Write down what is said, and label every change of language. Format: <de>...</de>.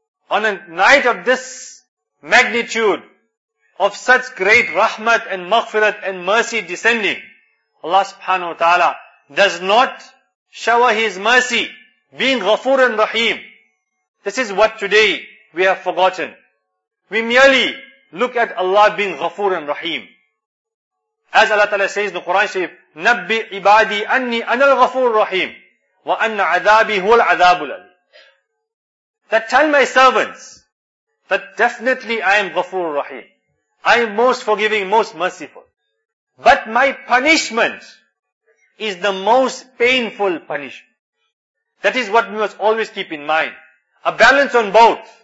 <en>On a night of this magnitude, of such great rahmat and maghfirat and mercy descending, Allah subhanahu wa ta'ala does not shower His mercy, being ghafoor and raheem. This is what today we have forgotten. We merely look at Allah being ghafoor and raheem. As Allah ta'ala says in the Quran Sharif,</en> <ar>نَبِّ عِبَادِي أَنِّي أَنَا الْغَفُورُ الرَّحِيمُ وَأَنَّ عَذَابِي هُوَ الْعَذَابُ الْأَلِيمُ.</ar> <en>That tell my servants that definitely I am ghafoor and raheem. I am most forgiving, most merciful. But my punishment is the most painful punishment. That is what we must always keep in mind. A balance on both.</en>